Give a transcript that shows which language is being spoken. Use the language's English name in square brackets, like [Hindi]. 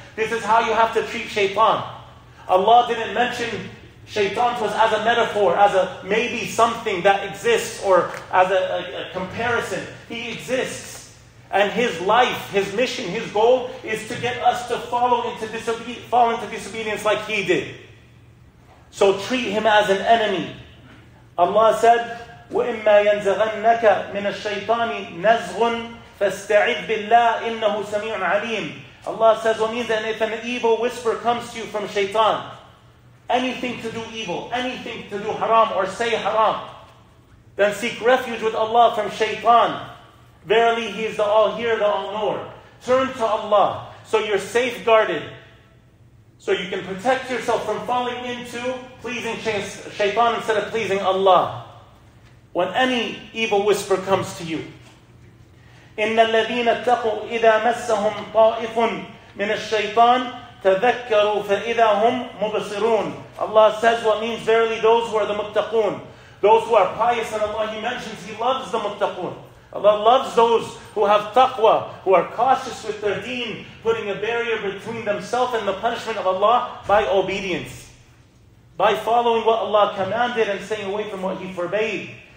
[English] This is how you have to treat Shaytan. Allah didn't mention Shaytan to us as a metaphor, as a maybe something that exists, or as a comparison. He exists. And his life, his mission, his goal is to get us to fall into disobedience like he did. So treat him as an enemy. Allah said, [Arabic] وَإِمَّا يَنْزَغَنَّكَ مِنَ الشَّيْطَانِ نَزْغٌ فَاسْتَعِذْ بِاللَّهِ إِنَّهُ سَمِيعٌ عَلِيمٌ. [English] Allah says, what means that if an evil whisper comes to you from Shaytan, anything to do evil, anything to do haram or say haram, then seek refuge with Allah from Shaytan. Verily, He is the all-hearer, the all-knower. Turn to Allah so you're safeguarded, so you can protect yourself from falling into pleasing Shaytan instead of pleasing Allah. When any evil whisper comes to you, [Arabic] إِنَّ الَّذِينَ اتَّقُوا إِذَا مَسَّهُمْ طَائِفٌ مِنَ الشَّيْطَانِ تَذَكَّرُوا فَإِذَا هُمْ مُبَصِرُونَ. [English] Allah says what means verily those who are the muttaqun, those who are pious, and Allah, He mentions He loves the muttaqun. Allah loves those who have taqwa, who are cautious with their deen, putting a barrier between themselves and the punishment of Allah by obedience, by following what Allah commanded and staying away from what He forbade.